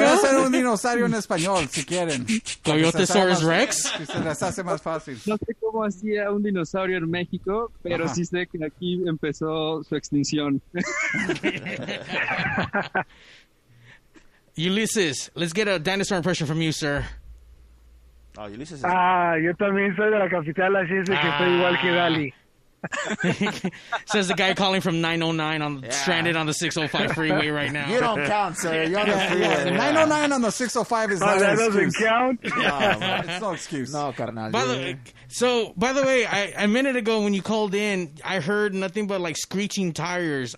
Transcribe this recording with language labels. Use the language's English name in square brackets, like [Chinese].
[Spanish] Puedo hacer un dinosaurio en español, si quieren. ¿Coyotosaurus rex? Se las hace más fácil. No sé cómo hacía un dinosaurio en México, pero sí sé que aquí empezó su extinción. [English] Ulysses, let's get a dinosaur impression from you, sir. Oh, Ulysses. [Spanish] Yo también soy de la capital, así es que estoy igual que Dali. [English] Says the guy calling from 909 on stranded on the 605 freeway right now. You don't count, sir. You're on the freeway. 909 on the 605 is not an excuse. That doesn't count. No, it's no excuse. [Spanish] No, carnal. [English] By the way, a minute ago when you called in, I heard nothing but like screeching tires.